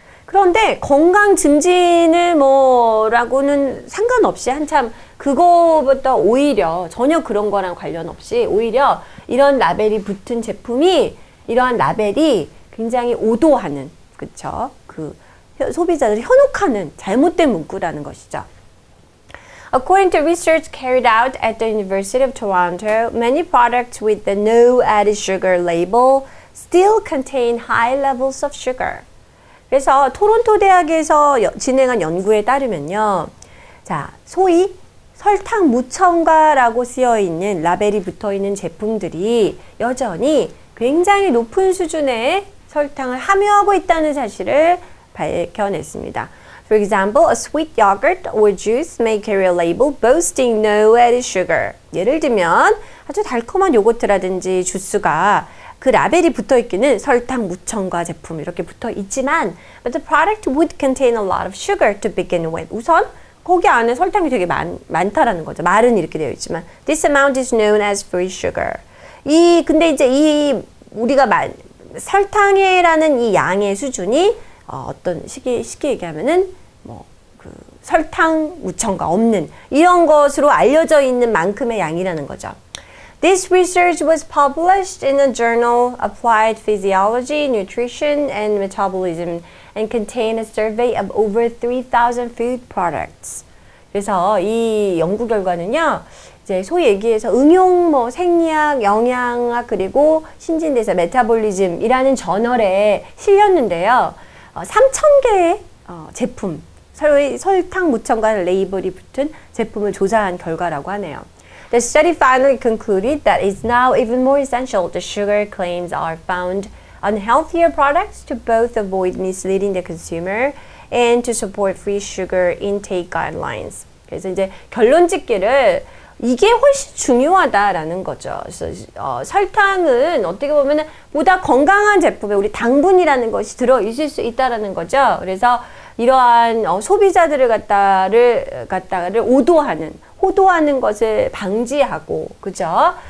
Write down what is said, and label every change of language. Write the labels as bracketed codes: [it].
[ko] 그런데 건강 증진을 뭐라고는 상관없이 한참 그거부터 오히려 전혀 그런 거랑 관련 없이 오히려 이런 라벨이 붙은 제품이 이러한 라벨이 굉장히 오도하는 그쵸? 그 소비자들을 현혹하는 잘못된 문구라는 것이죠. [en] According to research carried out at the University of Toronto, many products with the no added sugar label still contain high levels of sugar. [ko] 그래서 토론토 대학에서 진행한 연구에 따르면요. 자, 소위 설탕 무첨가라고 쓰여 있는 라벨이 붙어 있는 제품들이 여전히 굉장히 높은 수준의 설탕을 함유하고 있다는 사실을 밝혀냈습니다. [en] For example, a sweet yogurt or juice may carry a label boasting no added sugar. [ko] 예를 들면 아주 달콤한 요거트라든지 주스가 그 라벨이 붙어 있기는 설탕 무첨가 제품 이렇게 붙어 있지만 [en] But the product would contain a lot of sugar to begin with. [ko] 우선 거기 안에 설탕이 되게 많다라는 거죠. 말은 이렇게 되어 있지만 [en] This amount is known as free sugar. [ko] 근데 이제 우리가 설탕이라는 이 양의 수준이 어떤 쉽게 얘기하면은 뭐 그 설탕 무첨가 없는 이런 것으로 알려져 있는 만큼의 양이라는 거죠. [en] This research was published in the journal Applied Physiology, Nutrition and Metabolism and contained a survey of over 3,000 food products. [ko] 그래서 이 연구 결과는요, 이제 소위 얘기해서 응용 뭐 생리학, 영양학 그리고 신진대사 메타볼리즘이라는 저널에 실렸는데요. 3,000개의 제품, 소위 설탕 무첨가 레이블이 붙은 제품을 조사한 결과라고 하네요. [en] The study finally concluded that it's now even more essential the sugar claims are found on healthier products to both avoid misleading the consumer and to support free sugar intake guidelines. [ko] 그래서 이제 결론 짓기를 이게 훨씬 중요하다라는 거죠. 그래서 설탕은 어떻게 보면 보다 건강한 제품에 우리 당분이라는 것이 들어있을 수 있다라는 거죠. 그래서 이러한 소비자들을 갖다를 호도하는 것을 방지하고, 그죠?